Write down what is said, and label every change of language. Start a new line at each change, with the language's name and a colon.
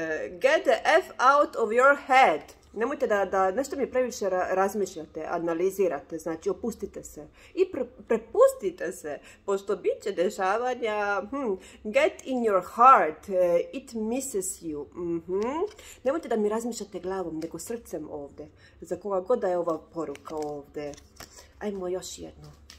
English: Get the F out of your head.
Bosnian: Nemojte da nešto mi previše razmišljate, analizirate, znači opustite se i prepustite se, pošto bit će dešavanja.
English: Get in your heart, it misses you.
Bosnian: Nemojte da mi razmišljate glavom, nego srcem ovdje, za koga god da je ova poruka ovdje. Ajmo još jedno.